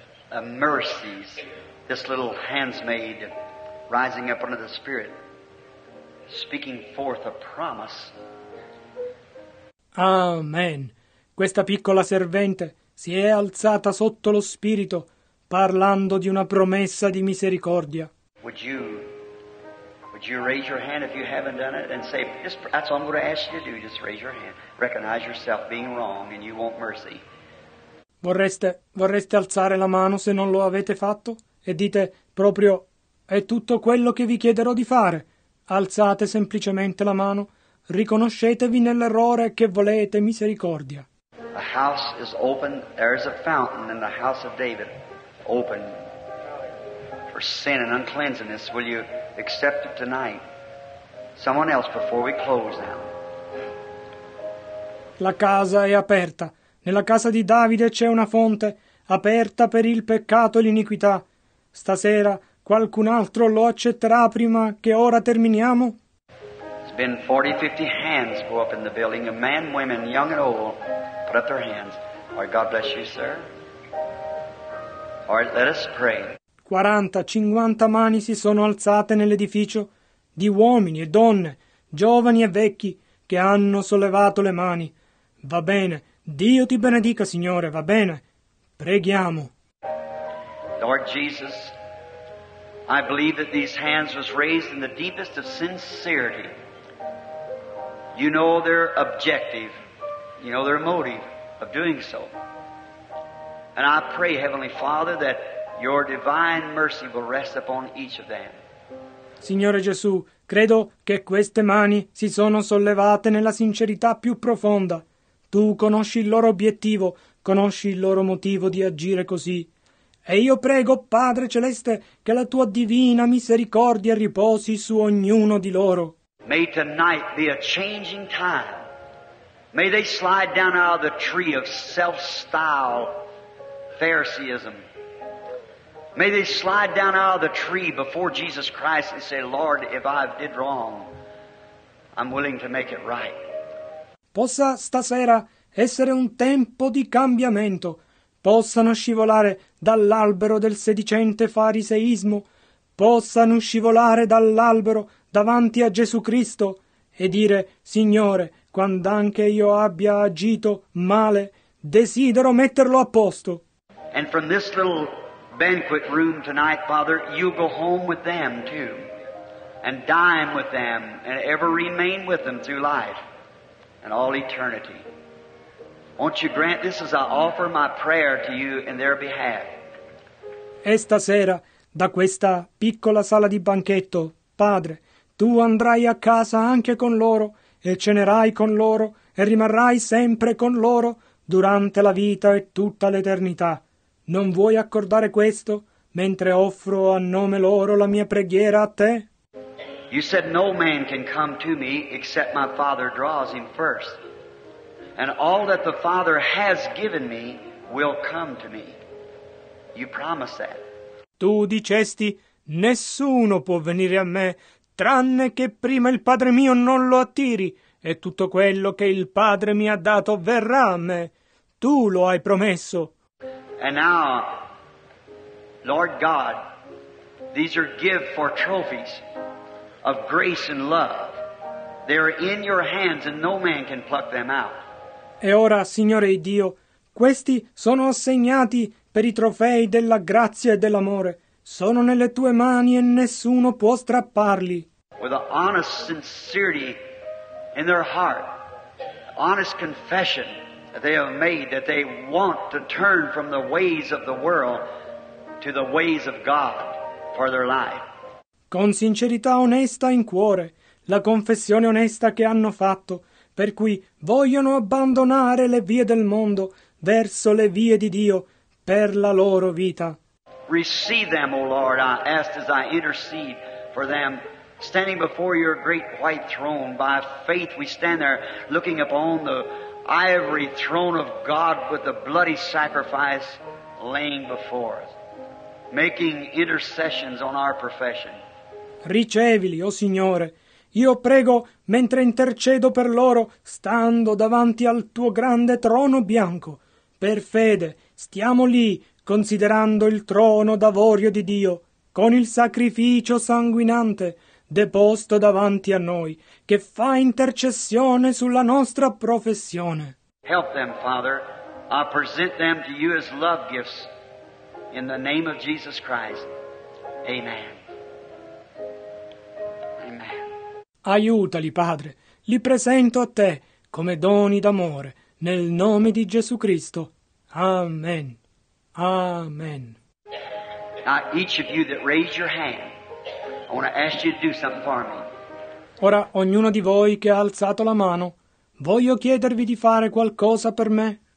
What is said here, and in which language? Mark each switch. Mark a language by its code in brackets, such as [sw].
[en] A mercies, this little handsmaid rising up under the Spirit, speaking forth a promise. Amen. [it] Questa piccola servente si è alzata sotto lo Spirito, parlando di una promessa di misericordia. [en] Would you raise your hand if you haven't done it and say, that's all I'm going to ask you to do, just raise your hand. Recognize yourself being wrong and you want mercy. [it] Vorreste alzare la mano se non lo avete fatto? E dite proprio, è tutto quello che vi chiederò di fare. Alzate semplicemente la mano, riconoscetevi nell'errore che volete misericordia. [en] The house is open, there is a fountain in the house of David, open for sin and uncleanness. Will you accept it tonight? Someone else before we close now. [it] La casa è aperta. Nella casa di Davide c'è una fonte aperta per il peccato e l'iniquità. Stasera, Qualcun altro lo accetterà prima che ora terminiamo? [en] It's been 40, 50 hands go up in the building. A man, women, young and old, put up their hands. All right, God bless you, sir. All right, let us pray. [it] 40, 50 mani si sono alzate nell'edificio di uomini e donne, giovani e vecchi, che hanno sollevato le mani. Va bene, Dio ti benedica, Signore, va bene. Preghiamo. [en] Lord Jesus, I believe that these hands was raised in the deepest of sincerity. You know their objective, you know their motive of doing so. And I pray, Heavenly Father, that your divine mercy will rest upon each of them. [it] Signore Gesù, credo che queste mani si sono sollevate nella sincerità più profonda. Tu conosci il loro obiettivo, conosci il loro motivo di agire così. E io prego, Padre Celeste, che la tua divina misericordia riposi su ognuno di loro. [en] May tonight be a changing time. May they slide down out of the tree of self-style Phariseeism. May they slide down out of the tree before Jesus Christ and say, Lord, if I did wrong, I'm willing to make it right. [it] Possa stasera essere un tempo di cambiamento. Possano scivolare dall'albero del sedicente fariseismo. Possano scivolare dall'albero davanti a Gesù Cristo e dire, Signore, quand'anche io abbia agito male, desidero metterlo a posto. [en] And from this little banquet room tonight, Father, you'll go home with them too, and dine with them, and ever remain with them through life and all eternity. Won't you grant this as I offer my prayer to you in their behalf? [it] E stasera, da questa piccola sala di banchetto, Padre, tu andrai a casa anche con loro, e cenerai con loro, e rimarrai sempre con loro durante la vita e tutta l'eternità. Non vuoi accordare questo mentre offro a nome loro la mia preghiera a te? [en] You said no man can come to me except my Father draws him first. And all that the Father has given me will come to me. You promise that. [it] Tu dicesti, nessuno può venire a me tranne che prima il Padre mio non lo attiri, e tutto quello che il Padre mi ha dato verrà a me. Tu lo hai promesso. [en] And now, Lord God, these are gifts for trophies of grace and love. They are in your hands and no man can pluck them out. [it] E ora, Signore Dio, questi sono assegnati per i trofei della grazia e dell'amore. Sono nelle tue mani e nessuno può strapparli. [en] With an honest sincerity in their heart, honest confession that they have made that they want to turn from the ways of the world to the ways of God for their life. [it] Con sincerità onesta in cuore, la confessione onesta che hanno fatto, per cui vogliono abbandonare le vie del mondo verso le vie di Dio per la loro vita. [en] Receive them, O Lord, I ask as I intercede for them, standing before your great white throne. By faith we stand there, looking upon the ivory throne of God with the bloody sacrifice laying before us, making intercessions on our profession. [it] Ricevili, O Signore. Io prego mentre intercedo per loro, stando davanti al tuo grande trono bianco. Per fede, stiamo lì, considerando il trono d'avorio di Dio, con il sacrificio sanguinante deposto davanti a noi, che fa intercessione sulla nostra professione. [en] Help them, Father. I present them to you as love gifts in the name of Jesus Christ. Amen. Amen. [it] Aiutali, Padre. Li presento a te come doni d'amore nel nome di Gesù Cristo. Amen. Amen. [en] Now, each of you that raised your hand, I want to ask you to do something for me. [it] Ora, ognuno di voi che ha alzato la mano, voglio chiedervi di fare qualcosa per me.